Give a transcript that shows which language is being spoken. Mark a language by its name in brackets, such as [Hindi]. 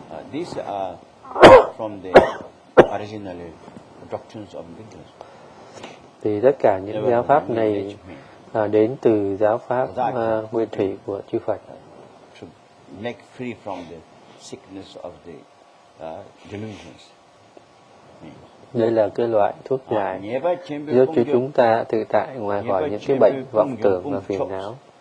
[English] These are from the original doctrines of Buddha. [Vietnamese] Thì tất cả những giáo pháp này đến từ giáo pháp nguyên thủy của chư Phật. [English] To make free from the sickness of the delusions. [Vietnamese] Đây là cái loại thuốc giải giúp cho chúng ta tự tại ngoài khỏi những cái bệnh vọng tưởng và phiền não.